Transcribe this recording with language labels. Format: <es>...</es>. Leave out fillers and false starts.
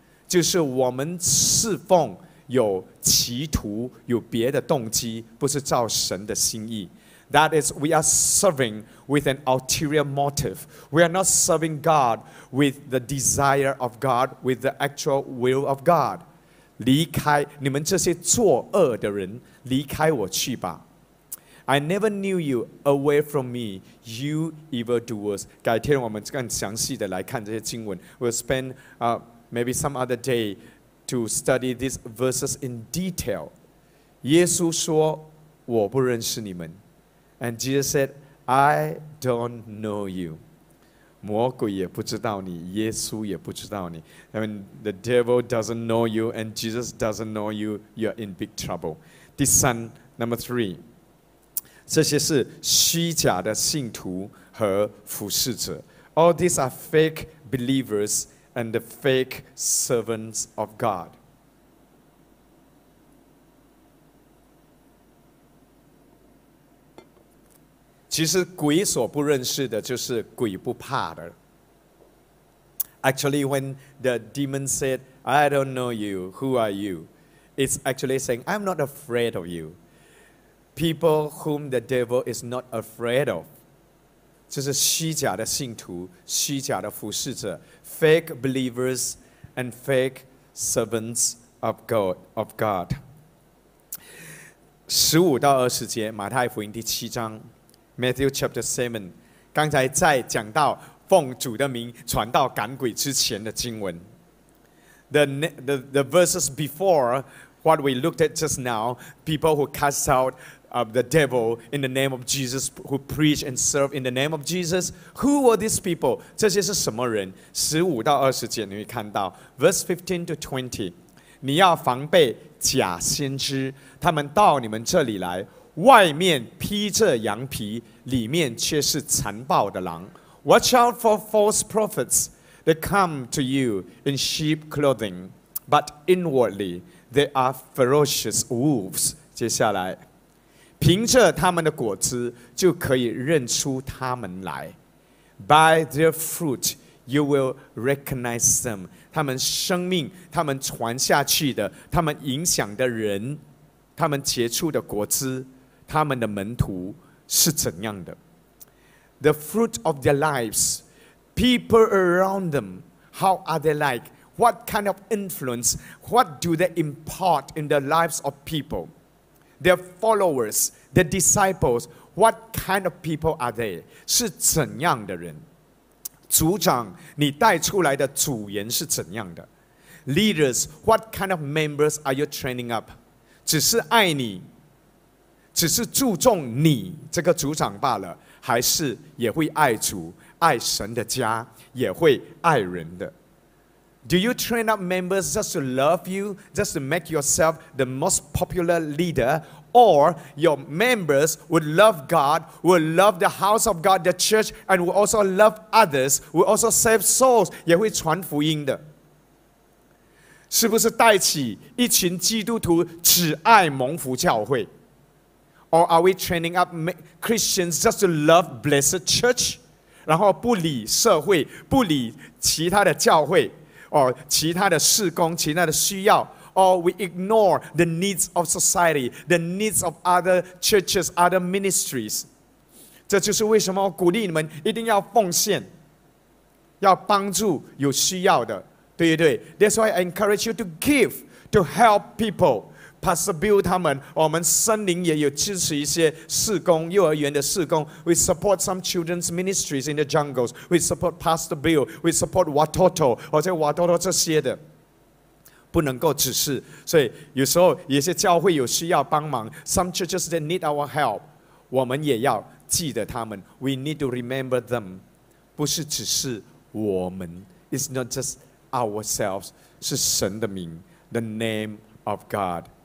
<zh>就是我们侍奉有企图，有别的动机，不是照神的心意。</zh> <en>That is, we are serving with an ulterior motive. We are not serving God with the desire of God, with the actual will of God.</en> <zh>离开你们这些作恶的人，离开我去吧。</zh> <en>I never knew you, away from me, you evildoers.</en> <zh>改天我们更详细的来看这些经文。</zh> <en>We'll spend maybe some other day to study these verses in detail.</en> <zh>耶稣说我不认识你们，</zh> <en>and Jesus said, I don't know you.</en> <zh>魔鬼也不知道你，耶稣也不知道你。</zh> <en>I mean, the devil doesn't know you and Jesus doesn't know you, you're in big trouble.</en> <zh>第三，</zh> <en>number three,</en> <zh>这些是虚假的信徒和服侍者。</zh> <en>All these are fake believersand the fake servants of God.</en> <zh>其实鬼所不认识的就是鬼不怕的。</zh> <en>Actually, when the demon said, I don't know you, who are you? It's actually saying, I'm not afraid of you. People whom the devil is not afraid of.</en> <zh>就是虚假的信徒，虚假的服侍者，</zh> <en>fake believers and fake servants of God.</en> <zh>15-20节，马太福音第七章，</zh> <en>Matthew chapter 7,</en> <zh>刚才在讲到奉主的名传道赶鬼之前的经文。</zh> <en>The verses before what we looked at just now, people who cast outOf the devil in the name of Jesus, who preach and serve in the name of Jesus. Who were these people?</en> <zh>这些是什么人？ 15-20节你会看到</zh> <en>verse 15-20,</en> <zh>你要防备假先知，他们到你们这里来，外面披着羊皮，里面却是残暴的狼。</zh> <en>Watch out for false prophets. They come to you in sheep clothing, but inwardly they are ferocious wolves.</en> <zh>接下来凭着他们的果子就可以认出他们来。</zh> <en>By their fruit you will recognize them.</en> <zh>他们生命，他们传下去的，他们影响的人，他们结出的果子，他们的门徒是怎样的。</zh> <en>The fruit of their lives, people around them, how are they like? What kind of influence? What do they impart in the lives of people? Their followers, their disciples, what kind of people are they?</en> <zh>是怎样的人？族长，你带出来的组员是怎样的？</zh> <en>Leaders, what kind of members are you training up?</en> <zh>只是爱你，只是注重你这个族长罢了，还是也会爱主，爱神的家，也会爱人的？</zh> <en>Do you train up members just to love you, just to make yourself the most popular leader? Or your members would love God, would love the house of God, the church, and would also love others, would also save souls,</en> <zh>也会传福音的。是不是带起一群基督徒只爱蒙福教会？</zh> <en>Or are we training up Christians just to love blessed church?</en> <zh>然后不理社会，不理其他的教会。</zh> <en>Or</en> <zh>其他的事工，其他的需要。</zh> <en>Or we ignore the needs of society, the needs of other churches, other ministries.</en> <zh>这就是为什么我鼓励你们一定要奉献，要帮助有需要的，对不对？</zh> <en>That's why I encourage you to give, to help people,</en> <zh>Pastor Bill 他们，我们森林也有支持一些事工，幼儿园的事工。</zh> <en>We support some children's ministries in the jungles. We support Pastor Bill. We support Watoto</en> <zh>或者</zh> <en>Watoto 这些的。</en> <zh>不能够只是，所以有时候有些教会有需要帮忙。</zh> <en>Some churches that need our help，</en> <zh>我们也要记得他们。</zh> <en>We need to remember them，</en> <zh>不是只是我们。</zh> <en>It's not just ourselves，</en> <zh>是神的名</zh> <en>，the name of God。</en>